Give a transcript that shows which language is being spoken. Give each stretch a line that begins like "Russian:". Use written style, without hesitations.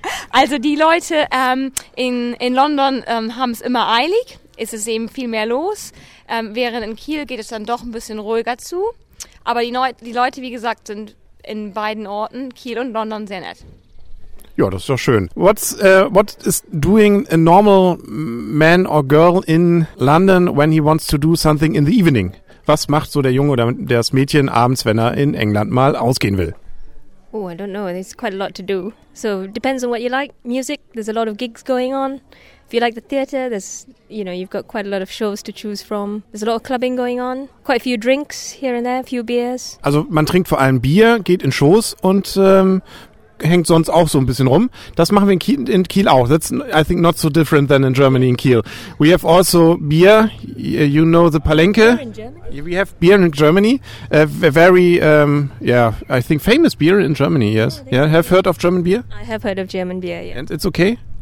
German: Also die Leute in London haben es immer eilig, ist es eben viel mehr los, während in Kiel geht es dann doch ein bisschen ruhiger zu, aber die Leute, wie gesagt, sind in beiden Orten, Kiel und London, sehr nett. Ja, das ist doch schön.
English: What is doing a normal man or girl in London when he wants to do something in the evening?
German: Was macht so der Junge oder das Mädchen abends, wenn er in England mal ausgehen will?
English: Oh, I don't know. There's quite a lot to do. So it depends on what you like. Music, there's a lot of gigs going on. If you like the theatre, there's, you know, you've got quite a lot of shows to choose from. There's a lot of clubbing going on. Quite a few drinks here and there, a few beers.
German: Also man trinkt vor allem Bier, geht in Shows und hängt sonst auch so ein bisschen rum. Das machen wir in Kiel auch.
English: That's, I think, not so different than in Germany in Kiel. We have also beer. You know the Palenque. We have beer in Germany. I think famous beer in Germany, yes. Yeah, have you heard of German beer? I have heard of German beer, yeah. And it's okay?